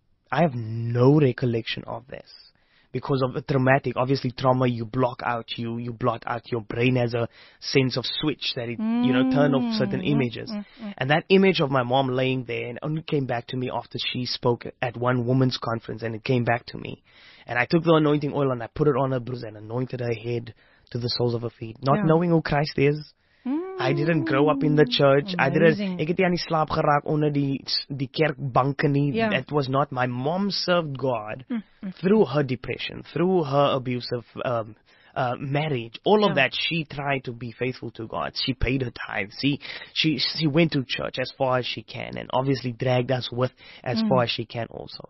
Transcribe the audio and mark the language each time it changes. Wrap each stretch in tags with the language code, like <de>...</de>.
<en>I have no recollection of this. Because of a traumatic, obviously trauma, you block out, you blot out, your brain has a sense of switch that it, you know, turn off certain images. And that image of my mom laying there, and only came back to me after she spoke at one woman's conference, and it came back to me. And I took the anointing oil and I put it on her bruise and anointed her head to the soles of her feet, not knowing who Christ is. I didn't grow up in the church. Amazing. I didn't.</en> <af>Ek het nie aan die slaap geraak onder die kerkbanke nie.</af> <en>That was not. My mom served God through her depression, through her abusive marriage. All of that, she tried to be faithful to God. She paid her tithes. She went to church as far as she can, and obviously dragged us with as far as she can also.</en>